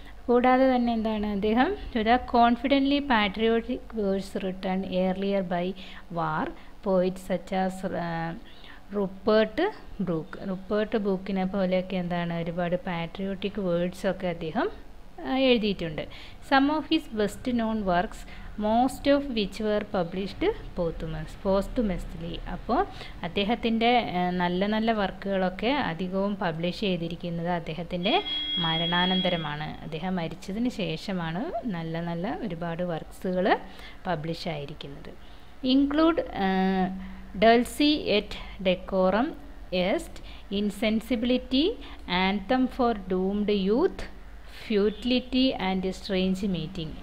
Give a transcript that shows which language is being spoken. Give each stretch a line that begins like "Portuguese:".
Malayalam: കൂടാതെ തന്നെ എന്താണ് അദ്ദേഹം
English: to the confidently patriotic verse written earlier by war poet such as
Malayalam: റുപ്പേർട്ട് ബ്രൂക്കിനെ പോലെയൊക്കെ എന്താണ് ഒരുപാട് പാട്രിയോട്ടിക് വേർഡ്സൊക്കെ അദ്ദേഹം എഴുതിയിട്ടുണ്ട്.
English: Some of his best known works most of which were published posthumously.
Malayalam: അപ്പോൾ അദ്ദേഹത്തിൻ്റെ നല്ല നല്ല വർക്കുകളൊക്കെ അധികവും പബ്ലിഷ് ചെയ്തിരിക്കുന്നത് അദ്ദേഹത്തിൻ്റെ മരണാനന്തരമാണ്. അദ്ദേഹം മരിച്ചതിന് ശേഷമാണ് നല്ല നല്ല ഒരുപാട് വർക്ക്സുകൾ പബ്ലിഷ് ആയിരിക്കുന്നത്.
English: Include Dulce et Decorum est Insensibility Anthem for Doomed Youth Futility and Strange Meeting.